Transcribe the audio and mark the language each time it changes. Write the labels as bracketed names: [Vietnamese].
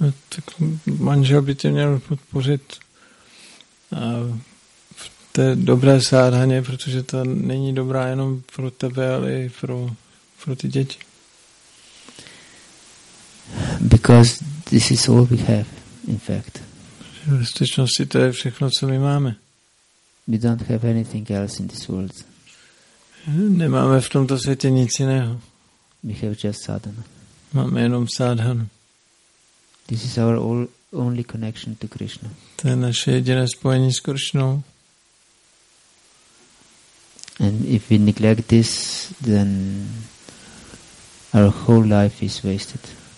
[Czech] Tak manžel by tě měl podpořit v té dobré sádhaně, protože ta není dobrá jenom pro tebe, ale i pro ty děti. [English] Because this is all we have, in fact. [Czech] V skutečnosti to je všechno, co my máme. [English] We don't have anything else in this world. [Czech] Nemáme v tomto světě nic jiného. [English] We have just sadhana. [Czech] Máme jenom sádhanu. [English] This is our only connection to Krishna. [Czech] To je naše jediné spojení s Krishnou. [English] And if we neglect this, then our whole life is wasted.